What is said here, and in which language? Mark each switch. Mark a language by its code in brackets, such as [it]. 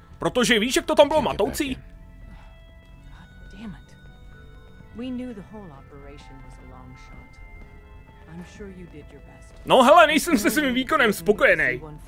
[cs] Protože víš, jak to tam bylo matoucí? [en] Damn it. We knew the whole operation was a long shot. I'm sure you did your best. [cs] No hele, nejsem se svým výkonem spokojený.